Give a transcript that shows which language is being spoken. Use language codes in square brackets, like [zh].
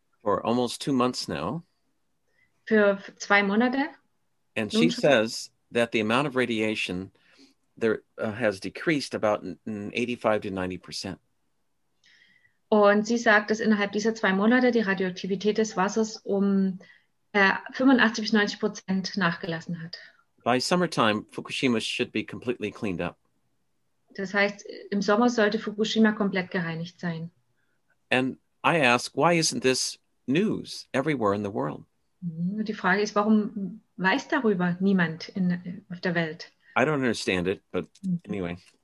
[en] For almost 2 months now. [de] Für 2 Monate. [en] And she says that the amount of radiation there has decreased about 85% to 90%. [de] Und sie sagt, dass innerhalb dieser 2 Monate die Radioaktivität des Wassers um 85-90% nachgelassen hat. [en] By summertime, Fukushima should be completely cleaned up. [de] Das heißt, im Sommer sollte Fukushima komplett gereinigt sein. [en] And I ask, why isn't this news everywhere in the world? [de] Die Frage ist, warum weiß darüber niemand auf der Welt? [en] I don't understand it, but anyway.